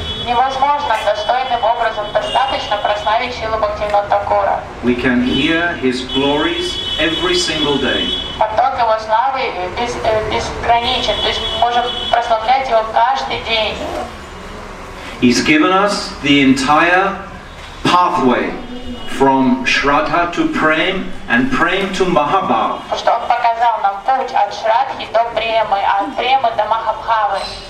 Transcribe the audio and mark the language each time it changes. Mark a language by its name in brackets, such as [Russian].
[Russian] Невозможно достойным образом достаточно прославить Шрилу Бхактивинода Такура. [English] We can hear his glories every single day. [Russian] Поток его славы безграничен, то есть можем прославлять его каждый день. [English] He's given us the entire pathway from Shraddha to Prem and Prem to Mahabhava. [Russian] Что он показал нам путь от Шраддхи до Премы, от Премы до Махабхавы.